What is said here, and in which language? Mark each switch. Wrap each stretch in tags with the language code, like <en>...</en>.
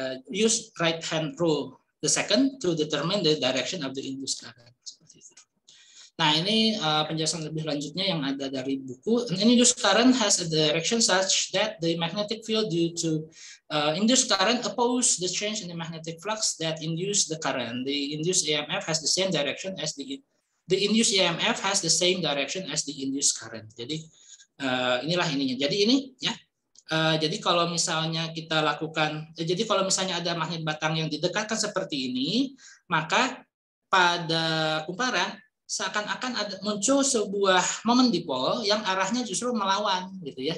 <en>Use right hand rule the second to determine the direction of the induced current.</en> <id>Seperti itu. Nah, ini penjelasan lebih lanjutnya yang ada dari buku.</id> <en>Any induced current has a direction such that the magnetic field due to induced current oppose the change in the magnetic flux that induced the current. The induced EMF has the same direction as the induced EMF has the same direction as the induced current.</en> <id>Jadi inilah ininya. Jadi ini ya. Jadi kalau misalnya kita lakukan, jadi kalau misalnya ada magnet batang yang didekatkan seperti ini, maka pada kumparan seakan-akan ada, muncul sebuah momen dipol yang arahnya justru melawan, gitu ya.</id>